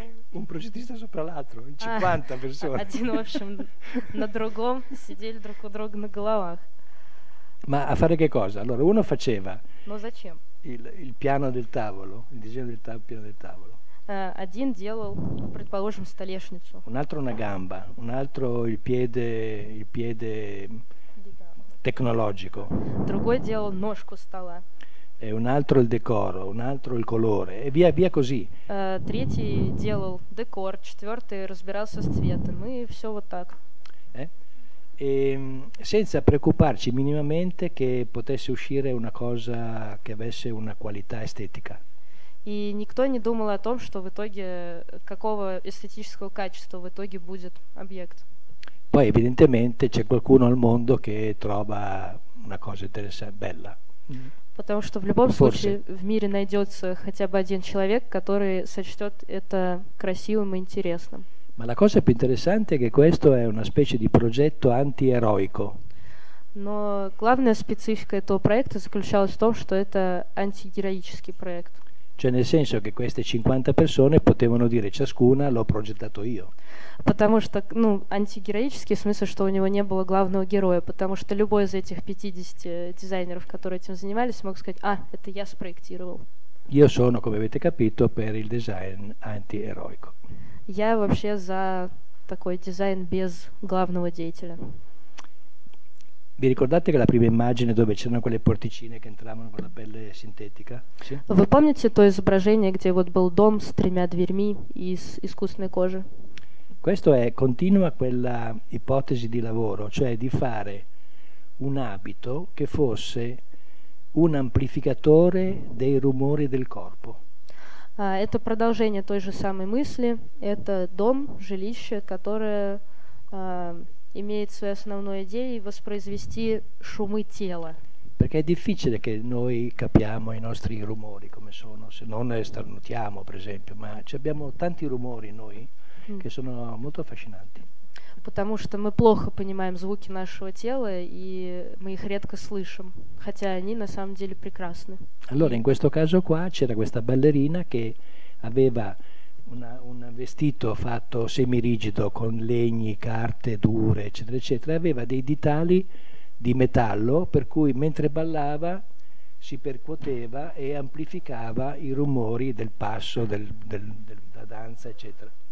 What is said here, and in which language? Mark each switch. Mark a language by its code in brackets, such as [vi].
[it] Un progettista sopra l'altro, 50 persone. [ru] Один, в общем, на другом сидели друг у друга на головах. [it] Ma a fare che cosa? Allora, uno faceva [ru] зачем? [it] Il piano del tavolo, il disegno del piano del tavolo. [ru] Один делал, предположим, столешницу. [it] Un altro una gamba, un altro il piede tecnologico. [ru] Другой делал ножку стола. [it] E un altro il decoro, un altro il colore, e via via così. [ru] Третий делал декор, четвертый разбирался с цветом, и все вот так. [it] E senza preoccuparci minimamente che potesse uscire una cosa che avesse una qualità estetica. [ru] И никто не думал о том, что в итоге какого эстетического качества в итоге будет объект. [it] Poi evidentemente c'è qualcuno al mondo che trova una cosa interessante, bella. [ru] Потому что в любом случае в мире найдется хотя бы один человек, который сочтет это красивым и интересным. [it] Ma la cosa più interessante è che questo è una specie di progetto antieroico. [ru] Но главная специфика этого проекта заключалась в том, что это антигероический проект. [it] Cioè nel senso che queste 50 persone potevano dire ciascuna l'ho progettato io. [ru] Потому что, ну, антигероический в смысле, что у него не было главного героя, потому что любой из этих 50 дизайнеров, которые этим занимались, мог сказать: «А, это я спроектировал». [it] Io sono, come avete capito, per il design antieroico. [ru] Я вообще за такой дизайн без главного деятеля. [it] Vi ricordate che la prima immagine dove c'erano quelle porticine che entravano con la pelle sintetica? Sì? [ru] Вы помните то изображение, где вот был дом с тремя дверьми из искусственной кожи? [it] Questo è continua quella ipotesi di lavoro, cioè di fare un abito che fosse un amplificatore dei rumori del corpo. [ru] Это продолжение той же самой мысли. Это дом, жилище, которое имеет своей основной идеей воспроизвести шумы тела. [it] Perché è difficile che noi capiamo i nostri rumori come sono, se non starnutiamo, per esempio, ma ci abbiamo tanti rumori noi che sono molto affascinanti. [ru] Потому что мы плохо понимаем звуки нашего тела и мы их редко слышим, хотя они на самом деле прекрасны. [it] Allora in questo caso qua c'era questa ballerina che aveva un vestito fatto semirigido con legni, carte dure, eccetera eccetera, aveva dei ditali di metallo per cui mentre ballava si percuoteva e amplificava i rumori del passo della danza eccetera.